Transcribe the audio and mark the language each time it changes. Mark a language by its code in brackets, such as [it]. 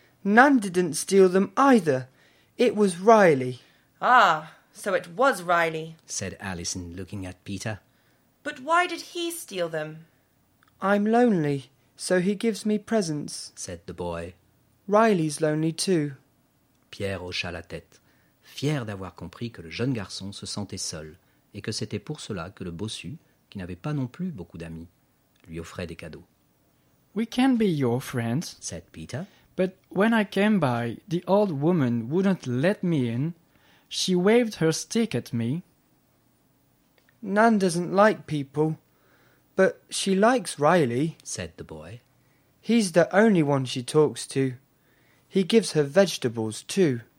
[en] Nan didn't steal them either. It was Riley. Ah, so it was Riley, said Alison, looking at Peter. But why did he steal them? I'm lonely, so he gives me presents, said the boy. Riley's lonely too. [fr] Pierre hocha la tête, fier d'avoir compris que le jeune garçon se sentait seul et que c'était pour cela que le bossu, qui n'avait pas non plus beaucoup d'amis, lui offrait des cadeaux. [en] We can be your friends, said Peter. But when I came by, the old woman wouldn't let me in. She waved her stick at me. Nan doesn't like people, but she likes Riley, said the boy. He's the only one she talks to. He gives her vegetables, too.